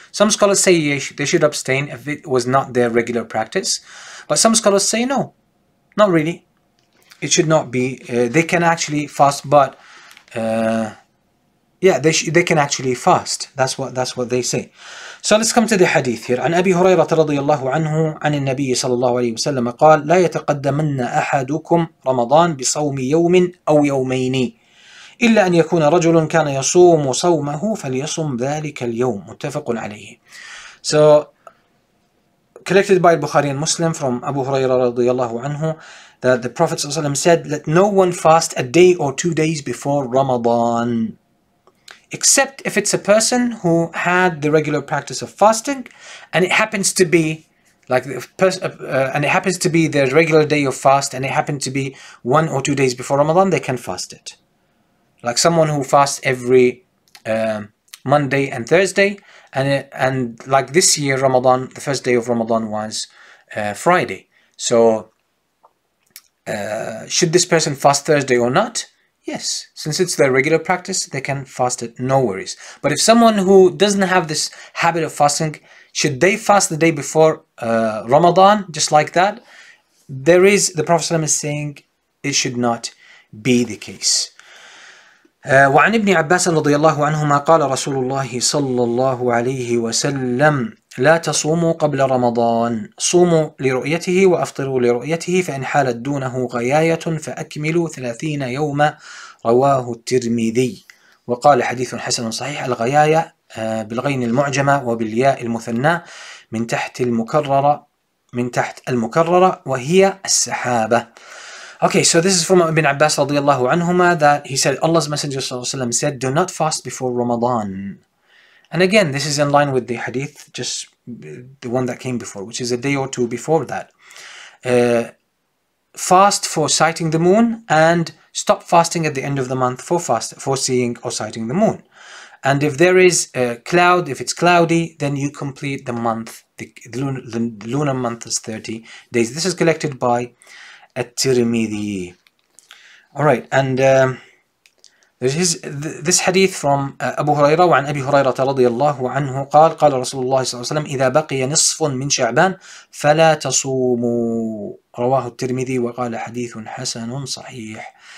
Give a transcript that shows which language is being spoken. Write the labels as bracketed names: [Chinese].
[English] Some scholars say they should abstain if it was not their regular practice, but some scholars say no, not really. It should not be. They can actually fast, but they can actually fast. That's what they say. So let's come to the hadith here. [Arabic] عن أبي هريرة رضي الله عنه عن النبي صلى الله عليه وسلم قال لا يتقدمن أحدكم رمضان بصوم يوم أو يومين إلا أن يكون رجل كان يصوم صومه فليصم ذلك اليوم. متفق عليه. [English] So collected by Bukhari and Muslim from Abu Huraira رضي الله عنه that the Prophet صلى الله عليه وسلم said, let no one fast a day or two days before Ramadan, except if it's a person who had the regular practice of fasting, and it happens to be like the and it happens to be their regular day of fast, and it happened to be one or two days before Ramadan, they can fast it. Like someone who fasts every Monday and Thursday, and like this year, Ramadan, the first day of Ramadan was Friday. So should this person fast Thursday or not? Yes, since it's their regular practice, they can fast it, no worries. But if someone who doesn't have this habit of fasting, should they fast the day before Ramadan, just like that? There is, the Prophet ﷺ is saying, it should not be the case. [Arabic] وعن ابن عباس رضي الله عنهما قال رسول الله صلى الله عليه وسلم لا تصوموا قبل رمضان صوموا لرؤيته وأفطروا لرؤيته فإن حالت دونه غياية فأكملوا 30 يوما رواه الترمذي وقال حديث حسن صحيح الغياية بالغين المعجمة وبالياء المثنى من تحت المكررة من تحت المكررة وهي السحابة. [English] Okay, so this is from Ibn Abbas radiallahu anhuma that he said, Allah's Messenger said, do not fast before Ramadan. And again, this is in line with the hadith, just the one that came before, which is a day or two before that. Fast for sighting the moon and stop fasting at the end of the month for seeing or sighting the moon. And if there is a cloud, if it's cloudy, then you complete the month. The lunar month is 30 days. This is collected by At-Tirmidhi. Alright, and this hadith from Abu Huraira [Arabic] وعن أبي هريرة رضي الله عنه قال قال رسول الله صلى الله عليه وسلم إذا بقي نصف من شعبان فلا تصوموا رواه الترمذي وقال حديث حسن صحيح.